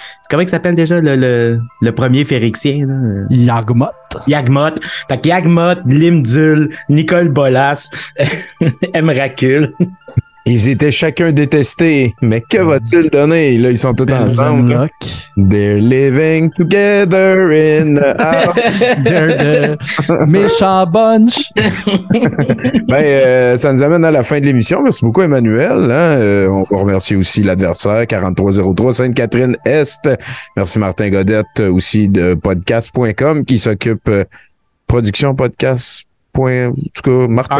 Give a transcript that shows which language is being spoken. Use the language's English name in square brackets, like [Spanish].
[French] Comment il s'appelle déjà le premier Phérixien? Yagmoth. Fait que Yagmoth, Limdul, Nicole Bolas, Emracule. Ils étaient chacun détestés, mais que va-t-il donner? Là, ils sont tous ensemble. [English] They're living together in the house. They're the méchant bunch. [French] Ça nous amène à la fin de l'émission. Merci beaucoup, Emmanuel. Hein? On remercie aussi l'adversaire, 4303 Sainte-Catherine-Est. Merci, Martin Godette, aussi de podcast.com, qui s'occupe production podcast. Point, en tout cas, Martin.